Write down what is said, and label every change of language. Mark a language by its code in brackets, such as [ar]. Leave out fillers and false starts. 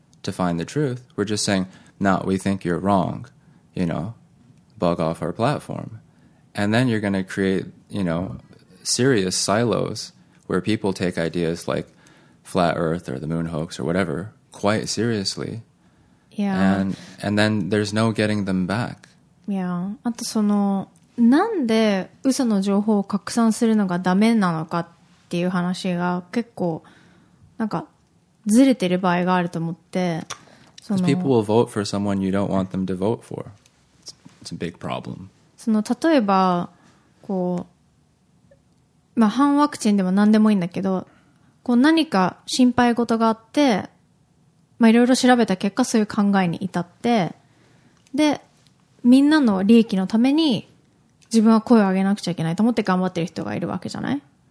[en] to find the truth, we're just saying, no, we think you're wrong, you know, bug off our platform. And then you're going to create, you know, serious silos where people take ideas like flat earth or the moon hoax or whatever quite seriously. Yeah. And then there's no getting them back. [ja] Yeah. あとその、なんで嘘の情報を拡散するのがダメなのかっていう話が結構、なんか、ずれてる場合があると思って、 [en] その people will vote for someone you don't want them to vote for. It's a big problem. [ja] その例えばこう、まあ反ワクチンでも何でもいいんだけど、こう何か心配事があって、まあいろいろ調べた結果そういう考えに至って、でみんなの利益のために自分は声を上げなくちゃいけないと思って頑張ってる人がいるわけじゃない？